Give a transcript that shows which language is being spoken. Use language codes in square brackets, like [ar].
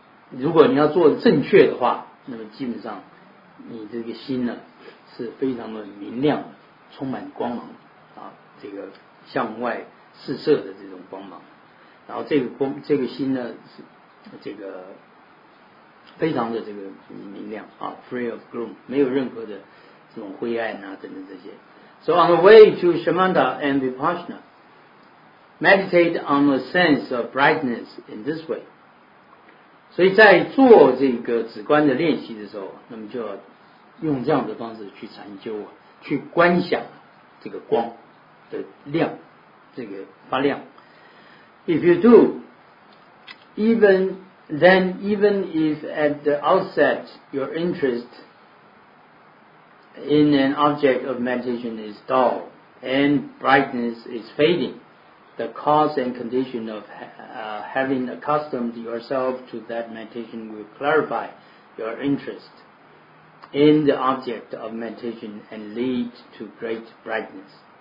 [zh] 如果你要做的正确的话，那么基本上你这个心呢是非常的明亮的，充满光芒啊，这个向外四射的这种光芒，然后这个心呢是这个非常的这个明亮啊 ， [en] free of gloom, [zh] 没有任何的这种灰暗啊等等这些。 [en] So on the way to Shamatha and Vipassana, meditate on a sense of brightness in this way. [zh] 所以在做这个止观的练习的时候，那么就要用这样的方式去禅修啊，去观想这个光的亮，这个发亮。 [en] If you do, even if at the outset your interest in an object of meditation is dull and brightness is fading,the cause and condition of having accustomed yourself to that meditation will clarify your interest in the object of meditation and lead to great brightness.